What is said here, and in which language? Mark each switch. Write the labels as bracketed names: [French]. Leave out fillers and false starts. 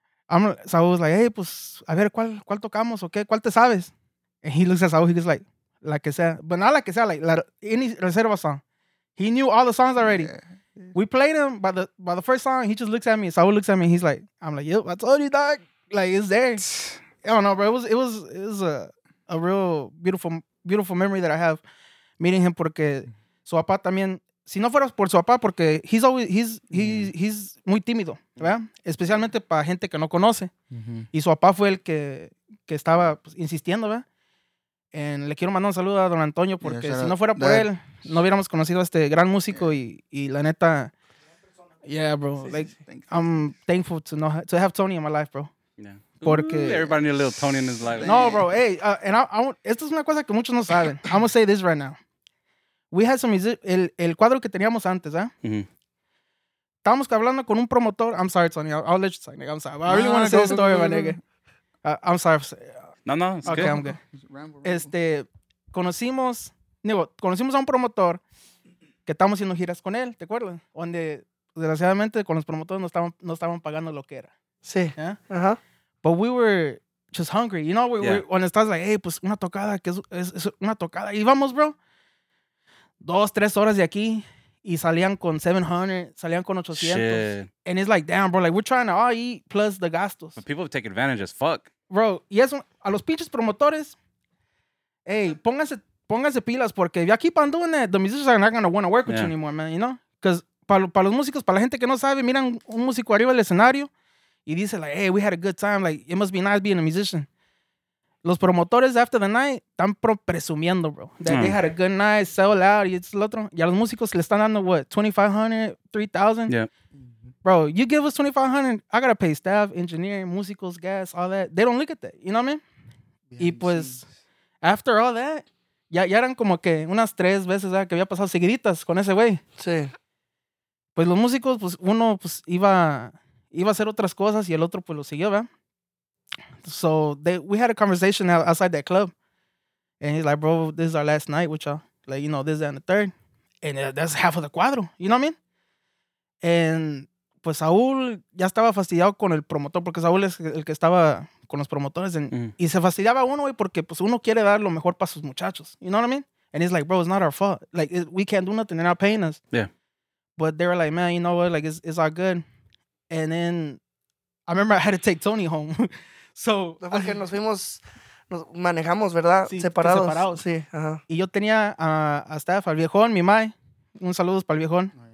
[Spanish] Saúl [English] was like, hey, [Spanish] pues, a ver, ¿cuál tocamos o qué? ¿Cuál te sabes? [English] And he looks at Saúl, he was like, [Spanish] la que sea. [English] But not [Spanish] la que sea, [English] like, any reserva song. He knew all the songs already. Yeah. We played him by the first song. He just looks at me. Saul looks at me. He's like, I'm like, yep, I told you, dog. Like, it's there. I don't know, bro. It was a real beautiful memory that I have meeting him. [Spanish] Porque su papá también. Si no fueras por su papá, porque he's muy tímido, ¿verdad? Especialmente para gente que no conoce. Mm-hmm. Y su papá fue el que estaba pues, insistiendo, ¿verdad? En, le quiero mandar un saludo a don Antonio, porque si no fuera por él, no hubiéramos conocido a este gran músico y la neta... [English] Yeah, bro. Sí, like, sí. I'm thankful to have Tony in my life, bro. Yeah. [Spanish] Porque... [English] Ooh, everybody need a little Tony in his life. No, bro. [Spanish] Hey, esto es una cosa que muchos no saben. [English] I'm going to say this right now. We had some... [Spanish] El cuadro que teníamos antes, ¿eh? Mm-hmm. Estábamos hablando con un promotor. [English] I'm sorry, Tony. I'll let you talk, nigga. I'm sorry. But I really want to say the story, my nigga. I'm sorry for... No, it's okay, good. I'm good. Ramble. [Spanish] Conocimos a un promotor que estábamos haciendo giras con él, ¿te acuerdas? Donde, desgraciadamente, con los promotores no estaban pagando lo que era. Sí. [English] Yeah? Uh-huh. But we were just hungry. You know, [Spanish] cuando estás [English] like, hey, [Spanish] pues una tocada, que es una tocada. Y vamos, bro, 2-3 horas de aquí y salían con 700, salían con 800. [English] Shit. And it's like, damn, bro, like we're trying to all eat plus the gastos. But people take advantage as fuck. [Spanish] Bro, y eso, a los pinches promotores, hey, pónganse pilas, porque de aquí para andar, [English] the musicians are not going to want to work with you anymore, man, you know? [Spanish] Because para los músicos, para la gente que no sabe, miran un músico arriba del escenario y dice like, [English] hey, we had a good time, like, it must be nice being a musician. [Spanish] Los promotores, [English] after the night, [Spanish] están presumiendo, [English] bro, that they had a good night, sell out, [Spanish] y esto es lo otro. Y a los músicos le están dando, what, $2,500, [English] $3,000? Yeah. Bro, you give us $2,500, I gotta pay staff, engineering, musicals, gas, all that. They don't look at that, you know what I mean? [Spanish] Yeah, y pues, geez. [English] After all that, [Spanish] ya eran como que unas 3 veces, ¿verdad? Que había pasado seguiditas con ese güey. Sí. Pues los músicos, pues uno pues iba a hacer otras cosas y el otro pues lo siguió, ¿verdad? [English] So, we had a conversation outside that club. And he's like, bro, this is our last night with y'all. Like, you know, this and the third. And that's half of the cuadro, you know what I mean? And... [Spanish] Pues Saúl ya estaba fastidiado con el promotor, porque Saúl es el que estaba con los promotores. Y se fastidiaba uno, güey, porque pues uno quiere dar lo mejor para sus muchachos. [English] You know what I mean? And he's like, bro, it's not our fault. Like, we can't do nothing. They're not paying us. Yeah. But they were like, man, you know what? Like, it's all good. And then, I remember I had to take Tony home. So. [Spanish] Porque nos fuimos, nos manejamos, ¿verdad? Sí, separados. Sí, ajá. Uh-huh. Y yo tenía a staff, al viejón, mi mae. Un saludo para el viejón.